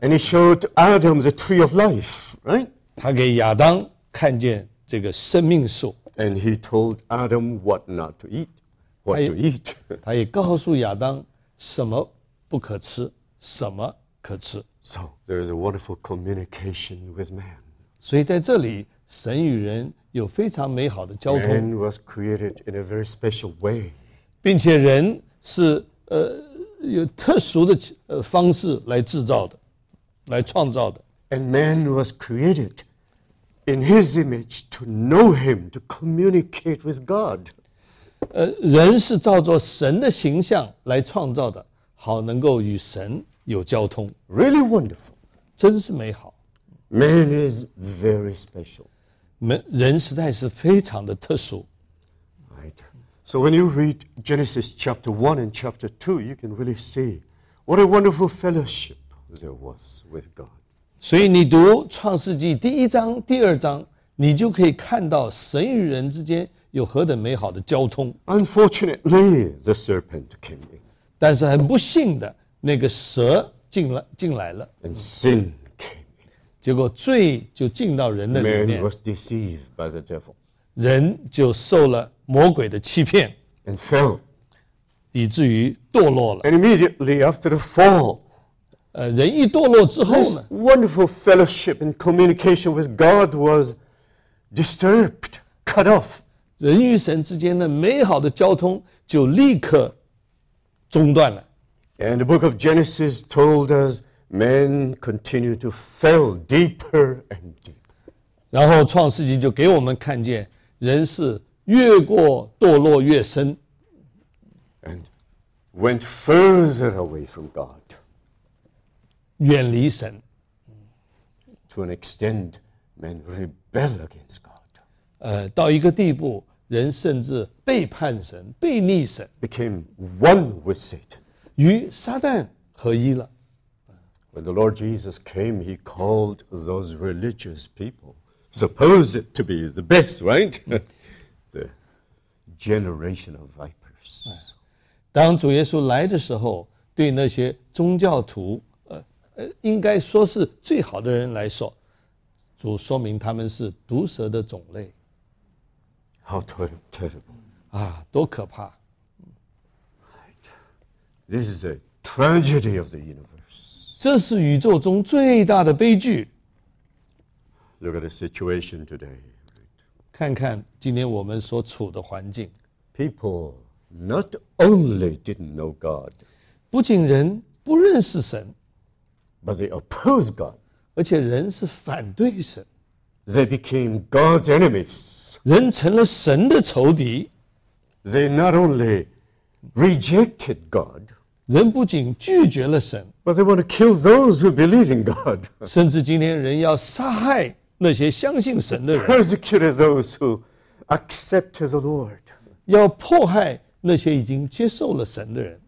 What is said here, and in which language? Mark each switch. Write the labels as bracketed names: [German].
[English] And he showed Adam the tree of life, right? [Chinese] 他给亚当看见这个生命树。 [English] And he told Adam what not to eat, what to eat. [Chinese] 他也告诉亚当什么不可吃，什么可吃。 [English] So there is a wonderful communication with man. [Chinese] 所以在这里，神与人有非常美好的交通。 [English] Man was created in a very special way. [Chinese] 并且人是有特殊的方式来制造的，来创造的。 [English] And man was created in his image to know him, to communicate with God. [Chinese] 人是照着神的形象来创造的，好能够与神有交通。 [English] Really wonderful. [Chinese] 真是美好。 [English] Man is very special. [Chinese] 人实在是非常的特殊。 [English] Right. So when you read Genesis chapter 1 and chapter 2, you can really see what a wonderful fellowship there was with God. [Chinese] 所以你读创世纪第一章、第二章，你就可以看到神与人之间有何等美好的交通。 [English] Unfortunately, the serpent came in. [Chinese] 但是很不幸的，那个蛇进来了。 [English] And sin came in. [Chinese] 结果罪就进到人的里面。 [English] Man was deceived by the devil. [Chinese] 人就受了魔鬼的欺骗。 [English] And fell. [Chinese] 以至于堕落了。 [English] And immediately after the fall, [Chinese] 人一堕落之后呢 [English] This wonderful fellowship and communication with God was disturbed, cut off. [Chinese] 人与神之间的美好的交通就立刻中断了。 [English] And the book of Genesis told us men continued to fall deeper and deeper. [Chinese] 然后创世纪就给我们看见人是越过堕落越深。 [English] And went further away from God. [Chinese] 远离神 [English] To an extent, men rebel against God. [Chinese] 到一个地步，人甚至背叛神，背逆神。 [English] Became one with Satan. [Chinese] 与撒旦合一了。 [English] When the Lord Jesus came, he called those religious people, supposed to be the best, right? the generation of vipers. [Chinese] 当主耶稣来的时候，对那些宗教徒应该说是最好的人来说，主说明他们是毒蛇的种类。 [English] How terrible. [Chinese] 啊，多可怕。 [English] This is a tragedy of the universe. [Chinese] 这是宇宙中最大的悲剧。 [English] Look at the situation today. [Chinese] 看看今天我们所处的环境。 [English] People not only didn't know God. [Chinese] 不仅人不认识神。 [English] But they oppose God. [Chinese] 而且人是反对神。 [English] They became God's enemies. [Chinese] 人成了神的仇敌。 [English] They not only rejected God. [Chinese] 人不仅拒绝了神。 [English] But they want to kill those who believe in God. [Chinese] 甚至今天人要杀害那些相信神的人。 [English] Persecuted those who accept the Lord. [Chinese] 要迫害那些已经接受了神的人。